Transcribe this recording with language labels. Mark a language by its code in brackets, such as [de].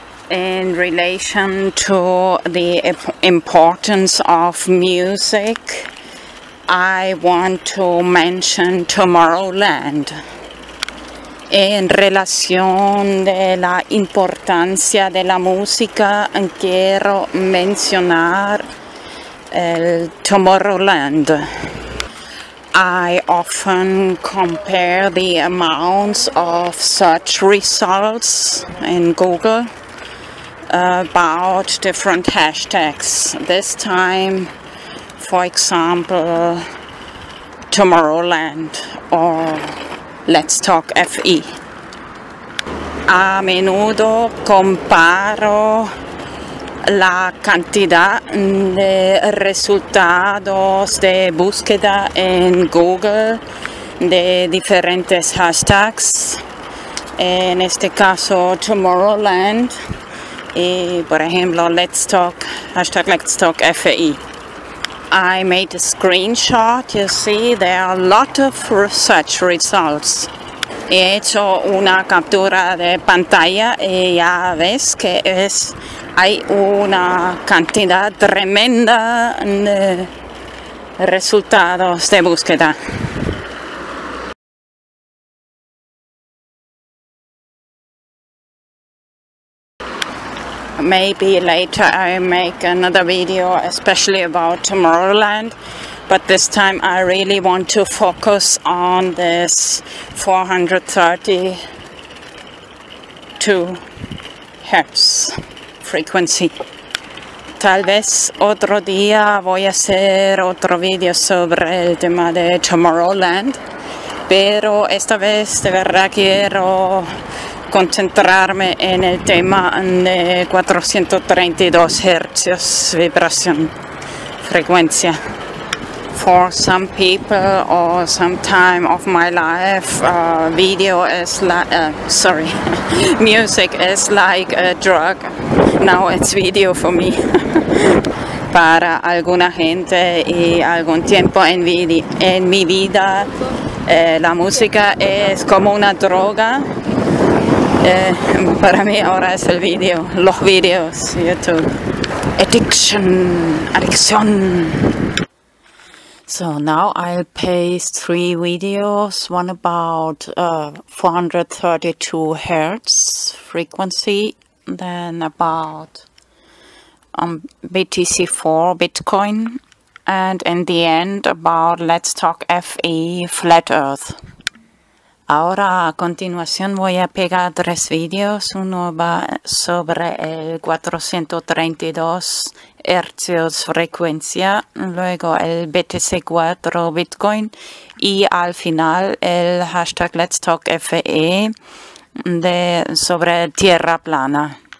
[en] In relation to the importance of music, I want to mention Tomorrowland. [es] En relación de la importancia de la música, quiero mencionar el Tomorrowland. [en] I often compare the amounts of search results in Google about different hashtags. This time, for example, Tomorrowland or LetsTalkFE. [es] A menudo comparo la cantidad de resultados de búsqueda en Google de diferentes hashtags, en este caso Tomorrowland y por ejemplo #LetsTalkFE. [en] I made a screenshot. You see, there are a lot of research results. [es] He hecho una captura de pantalla y ya ves que es hay una cantidad tremenda de resultados de búsqueda. [en] Maybe later I make another video especially about Tomorrowland, but this time I really want to focus on this 432 Hz frequency. [es] Tal vez otro día voy a hacer otro video sobre el tema de Tomorrowland, pero esta vez de verdad quiero concentrarme en el tema de 432 Hz vibración, frecuencia. [en] For some people or some time of my life, video is like, music is like a drug. Now it's video for me. [es] Para alguna gente y algún tiempo en mi vida, la música es como una droga. Para mí ahora es el video, los videos, YouTube. Adicción. [en] So now I'll paste three videos, one about 432 Hz frequency, then about BTC4 Bitcoin, and in the end about Let's Talk FE Flat Earth. [es] Ahora a continuación voy a pegar tres videos, uno va sobre el 432 Hz frecuencia, luego el BTC4 Bitcoin y al final el #LetsTalkFE de sobre tierra plana.